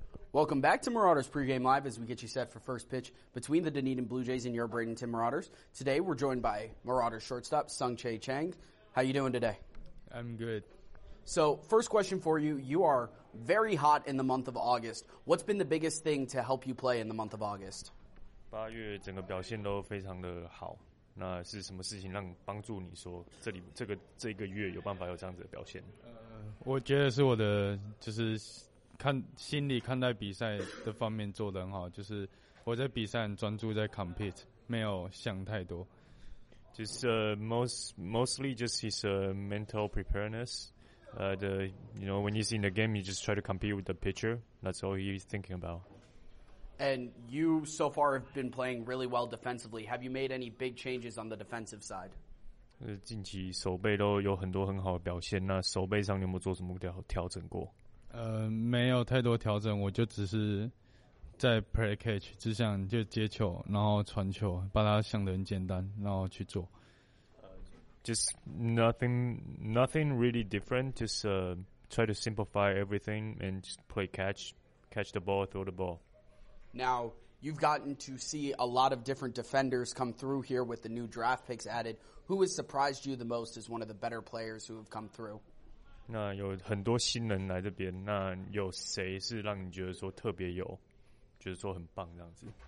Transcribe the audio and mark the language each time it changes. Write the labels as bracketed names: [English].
[English] Welcome back to Marauders Pregame Live as we get you set for first pitch between the Dunedin Blue Jays and your Bradenton Marauders. Today we're joined by Marauders shortstop Sung Che Chang. How you doing today? I'm good. So first question for you. You are very hot in the month of August. What's been the biggest thing to help you play in the month of August? [Chinese] 8月整个表现都非常的好。那是什么事情让帮助你说这个月有办法有这样子的表现？我觉得是我的就是看心理看待比赛的方面做得很好，就是我在比赛专注在 compete， 没有想太多。 [English] Just mostly just his mental preparedness. When he's in the game, he just try to compete with the pitcher. That's all he's thinking about. And you so far have been playing really well defensively. Have you made any big changes on the defensive side? [Chinese] 近期守备都有很多很好的表现，那守备上你有没有做什么调整过？没有太多调整，我就只是在 [English] play catch， [Chinese] 只想就接球，然后传球，把它想得很简单，然后去做。 [English] Just nothing really different. Just try to simplify everything and just play catch the ball, throw the ball. Now You've gotten to see a lot of different defenders come through here with the new draft picks added. Who has surprised you the most as one of the better players who have come through? [Chinese] 那有很多新人来这边，那有谁是让你觉得说特别有，觉得说很棒这样子？